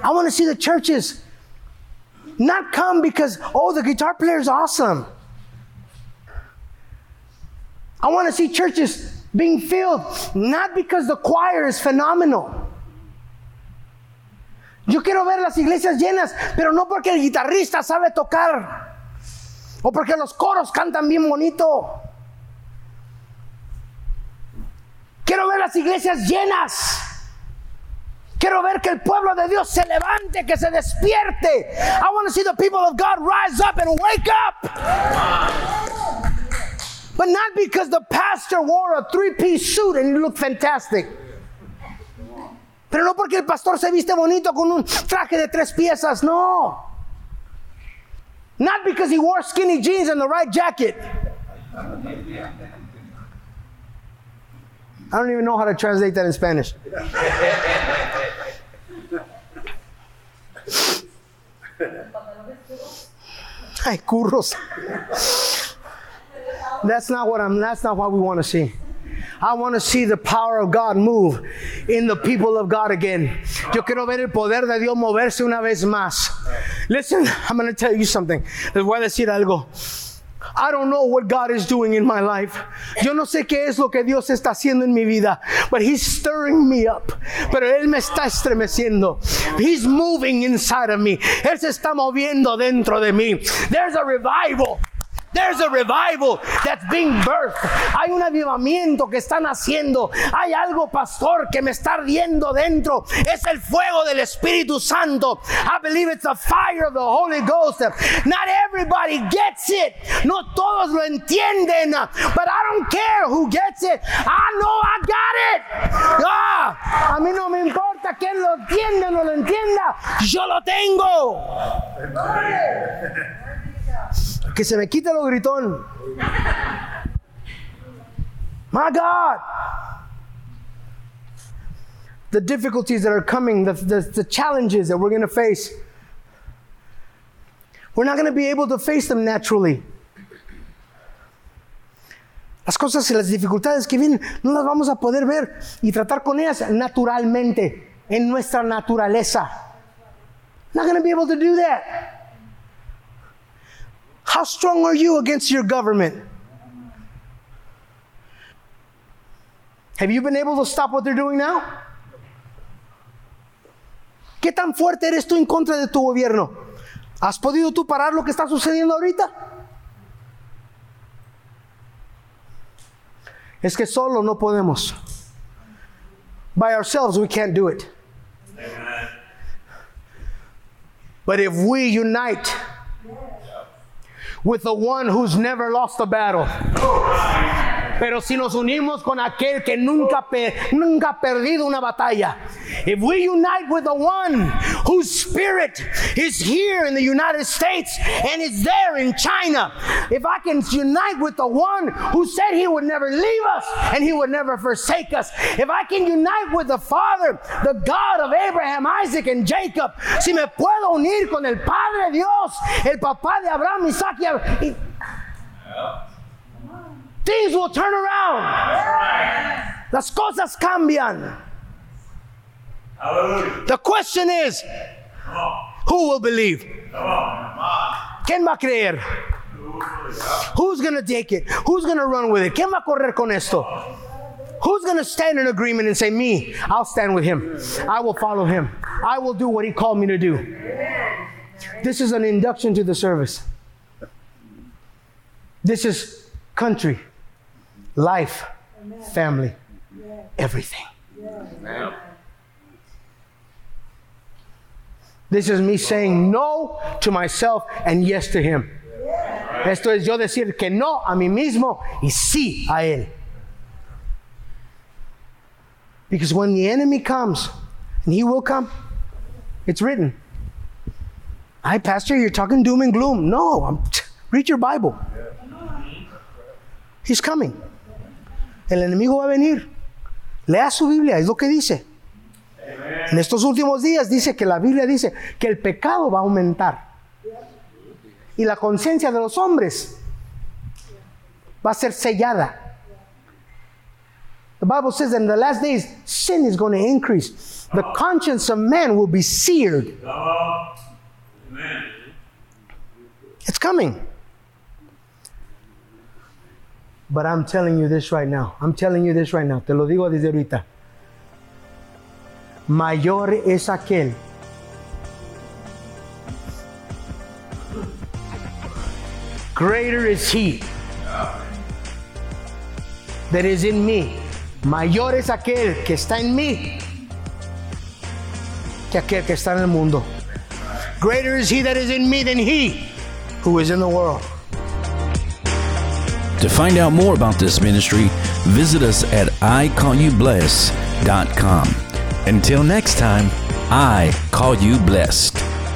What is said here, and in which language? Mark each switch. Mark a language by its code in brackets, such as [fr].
[en] I want to see the churches not come because, oh, the guitar player is awesome. I want to see churches being filled not because the choir is phenomenal. [es] Yo quiero ver las iglesias llenas, pero no porque el guitarrista sabe tocar o porque los coros cantan bien bonito. Quiero ver las iglesias llenas. Quiero ver que el pueblo de Dios se levante, que se despierte. [en] I want to see the people of God rise up and wake up. But not because the pastor wore a three-piece suit and he looked fantastic. [es] Pero no porque el pastor se viste bonito con un traje de tres piezas, no. [en] Not because he wore skinny jeans and the right jacket. I don't even know how to translate that in Spanish. [es] Ay, curros. [en] That's not what we want to see. I want to see the power of God move in the people of God again. [es] Yo quiero ver el poder de Dios moverse una vez más. [en] Listen, I'm going to tell you something. [es] Les voy a decir algo. [en] I don't know what God is doing in my life. [es] Yo no sé qué es lo que Dios está haciendo en mi vida. [en] But He's stirring me up. [es] Pero Él me está estremeciendo. [en] He's moving inside of me. [es] Él se está moviendo dentro de mí. [en] There's a revival. There's a revival that's being birthed. [es] Hay un avivamiento que están haciendo. Hay algo, pastor, que me está ardiendo dentro. Es el fuego del Espíritu Santo. [en] I believe it's the fire of the Holy Ghost. Not everybody gets it. [es] No todos lo entienden. [en] But I don't care who gets it. I know I got it. [es] Ah, a mí no me importa quién lo entienda o no lo entienda. Yo lo tengo. Que se me quite lo gritón. [en] My God. The difficulties that are coming, the challenges that we're going to face, we're not going to be able to face them naturally. [es] Las cosas y las dificultades que vienen, no las vamos a poder ver y tratar con ellas naturalmente, en nuestra naturaleza. [en] Not going to be able to do that. How strong are you against your government? Have you been able to stop what they're doing now? [es] ¿Qué tan fuerte eres tú en contra de tu gobierno? ¿Has podido tú parar lo que está sucediendo ahorita? Es que solo no podemos. [en] By ourselves, we can't do it. But if we unite with the one who's never lost a battle. [es] Pero si nos unimos con aquel que nunca ha perdido una batalla. [en] If we unite with the one whose spirit is here in the United States and is there in China. If I can unite with the one who said He would never leave us and He would never forsake us. If I can unite with the Father, the God of Abraham, Isaac, and Jacob. [es] Si me puedo unir con el Padre Dios, el Papá de Abraham, Isaac y [en] things will turn around. [es] Yes. Las cosas cambian. [en] Hallelujah. The question is, who will believe? [es] ¿Quién va a creer? [en] Who's going to take it? Who's going to run with it? [es] ¿Quién va a correr con esto? [en] Who's going to stand in agreement and say, me, I'll stand with Him. I will follow Him. I will do what He called me to do. This is an induction to the service. This is country. Life, amen. Family, yes. Everything. Amen. This is me saying no to myself and yes to Him. Yes. [es] Esto es yo decir que no a mí mismo y sí a Él. [en] Because when the enemy comes, and he will come, it's written. Hey, pastor, you're talking doom and gloom. No, read your Bible. Yes. He's coming. [es] El enemigo va a venir. Lea su Biblia, es lo que dice. Amen. En estos últimos días dice que la Biblia dice que el pecado va a aumentar. Y la conciencia de los hombres va a ser sellada. [en] The Bible says that in the last days, sin is going to increase. The conscience of man will be seared. Amen. It's coming. But I'm telling you this right now. I'm telling you this right now. [es] Te lo digo desde ahorita. Mayor es aquel. [en] Greater is He that is in me. [es] Mayor es aquel que está en mí que aquel que está en el mundo. [en] Greater is He that is in me than he who is in the world. To find out more about this ministry, visit us at icallyoubless.com. Until next time, I call you blessed.